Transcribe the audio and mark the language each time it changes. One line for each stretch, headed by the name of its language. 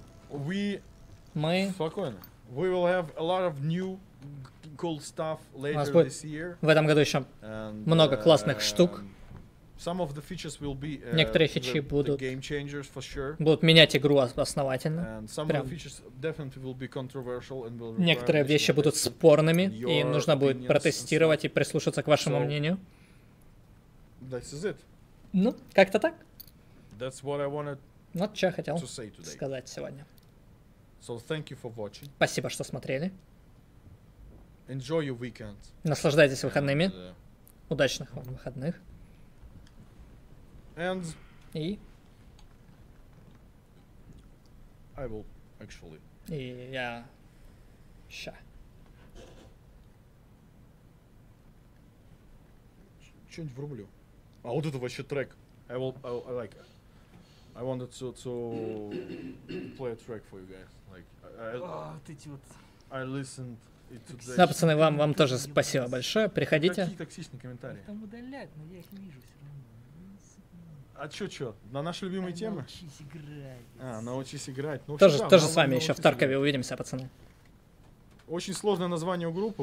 Russian: Мы... Спокойно.
English: We will have a lot of new cool stuff later this year.
Russian: У нас будет в этом году еще много классных штук.
English: Some of the features will be
Russian: некоторые фичи будут
English: game changers for sure.
Russian: Будут менять игру основательно.
English: And some of the features definitely will be controversial and will require.
Russian: Некоторые вещи будут спорными, и нужно будет протестировать и прислушаться к вашему мнению.
English: This is it.
Russian: Ну, как-то так.
English: That's what I wanted.
Russian: Вот что я хотел сказать сегодня.
English: So thank you for watching.
Russian: Спасибо, что смотрели.
English: Enjoy your weekend.
Russian: Наслаждайтесь выходными. Удачных вам выходных.
English: And
Russian: и
English: I will actually.
Russian: И я ща. Что-нибудь врублю. А вот это вообще трек.
English: I like it. I wanted to play a track for you guys. Like,
Russian: ты тут.
English: I listened.
Russian: Да, пацаны, вам тоже спасибо большое. Приходите. Какие токсичные комментарии? Там удаляют, но я их не вижу все равно. А чё? На наши любимые темы? Научись играть. А, научись играть. Ну, тоже тоже с вами еще в Таркове играть. Увидимся, пацаны. Очень сложное название у группы.